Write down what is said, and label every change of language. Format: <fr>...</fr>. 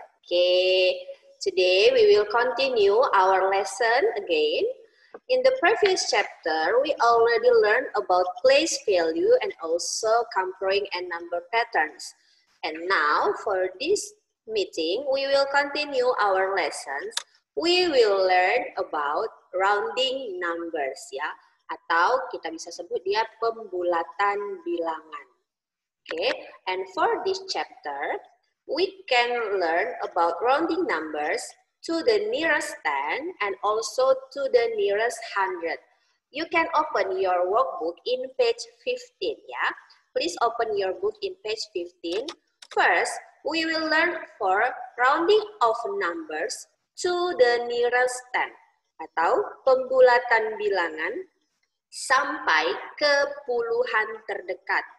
<en>Okay, today we will continue our lesson again. In the previous chapter, we already learned about place value and also comparing and number patterns. And now, for this meeting, we will continue our lessons. We will learn about rounding numbers, ya.</en> <id>Atau kita bisa sebut dia pembulatan bilangan.</id> <en>Okay, and for this chapter, we can learn about rounding numbers to the nearest 10 and also to the nearest 100. You can open your workbook in page 15, yeah? Please open your book in page 15. First, we will learn for rounding of numbers to the nearest 10</en> <id>atau pembulatan bilangan sampai ke puluhan terdekat.</id>